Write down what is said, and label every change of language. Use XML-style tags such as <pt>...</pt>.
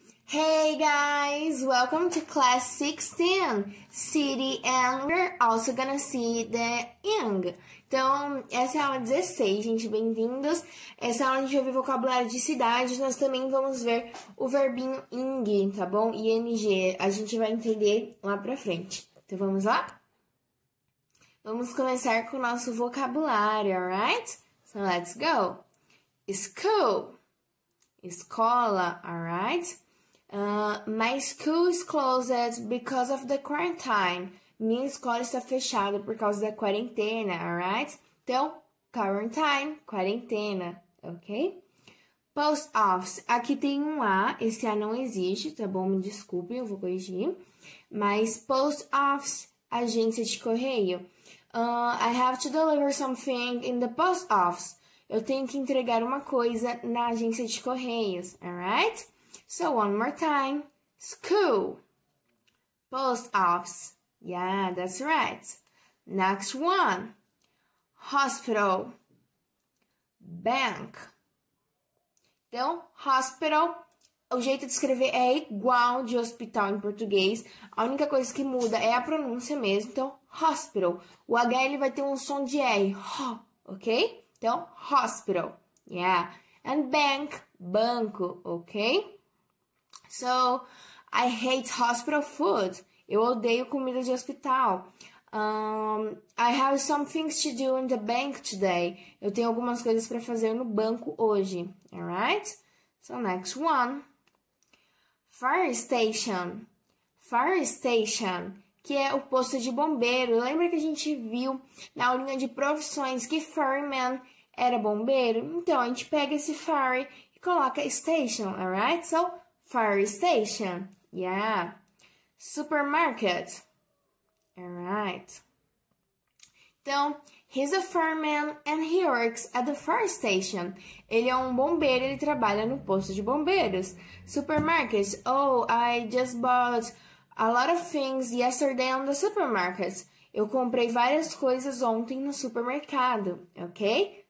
<en>Hey guys, welcome to class 16, City and we're also gonna see the Young.</en> <pt>Então, essa é a aula 16, gente, bem-vindos. Essa aula a gente vai ver vocabulário de cidade, nós também vamos ver o verbinho ing, tá bom? ING, a gente vai entender lá pra frente. Então, vamos lá? Vamos começar com o nosso vocabulário, alright?</pt> <en>So, let's go. School. Escola, alright? My school is closed because of the quarantine.</en> <pt>Minha escola está fechada por causa da quarentena, alright? Então, quarantine, quarentena, ok? Post office. Aqui tem um A, esse A não existe, tá bom? Me desculpe, eu vou corrigir. Mas post office, agência de correio.</pt> <en>I have to deliver something in the post office.</en> <pt>Eu tenho que entregar uma coisa na agência de correios, alright?</pt> <en>So, one more time, school, post office, yeah, that's right. Next one, hospital, bank.</en> <pt>Então, hospital, o jeito de escrever é igual de hospital em português, a única coisa que muda é a pronúncia mesmo, então, hospital. O H, ele vai ter um som de R, ok? Então, hospital,</pt> <en>yeah, and bank,</en> <pt>banco, ok?</pt> <en>So, I hate hospital food.</en> <pt>Eu odeio comida de hospital.</pt> <en>I have some things to do in the bank today.</en> <pt>Eu tenho algumas coisas para fazer no banco hoje. Alright?</pt> <en>So, next one. Fire station.</en> <pt>Fire station, que é o posto de bombeiro. Lembra que a gente viu na aulinha de profissões que fireman era bombeiro? Então, a gente pega esse fire e coloca station. Alright?</pt> <en>So, fire station, yeah. Supermarket, all right. Então, he's a fireman and he works at the fire station.</en> <pt>Ele é um bombeiro, ele trabalha no posto de bombeiros.</pt> <en>Supermarket, oh, I just bought a lot of things yesterday on the supermarket.</en> <pt>Eu comprei várias coisas ontem no supermercado, ok?</pt>